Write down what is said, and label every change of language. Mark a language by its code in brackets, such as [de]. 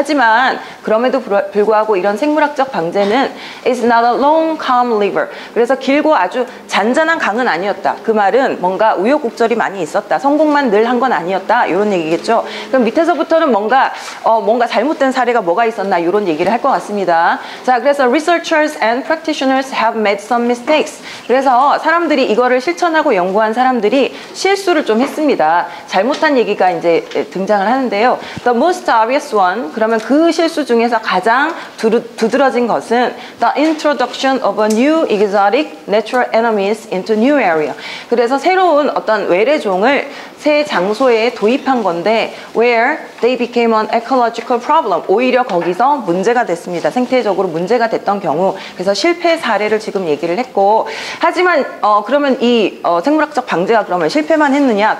[ko] 하지만 그럼에도 불구하고 이런 생물학적 방제는 [en] is not a long calm river. [ko] 그래서 길고 아주 잔잔한 강은 아니었다. 그 말은 뭔가 우여곡절이 많이 있었다. 성공만 늘 한 건 아니었다. 이런 얘기겠죠. 그럼 밑에서부터는 뭔가 잘못된 사례가 뭐가 있었나 이런 얘기를 할 것 같습니다. 자, 그래서 [en] researchers and practitioners have made some mistakes. [ko] 그래서 사람들이 이거를 실천하고 연구한 사람들이 실수를 좀 했습니다. 잘못한 얘기가 이제 등장을 하는데요. [en] The most obvious one. [ko] 그러면 그 실수 중에서 가장 두드러진 것은 [en] the introduction of a new exotic natural enemies into new area. [ko] 그래서 새로운 어떤 외래종을 새 장소에 도입한 건데, [en] where they became an ecological problem. [ko] 오히려 거기서 문제가 됐습니다. 생태적으로 문제가 됐던 경우. 그래서 실패 사례를 지금 얘기를 했고, 하지만 그러면 이 생물학적 방제가 그러면 실패만 했느냐?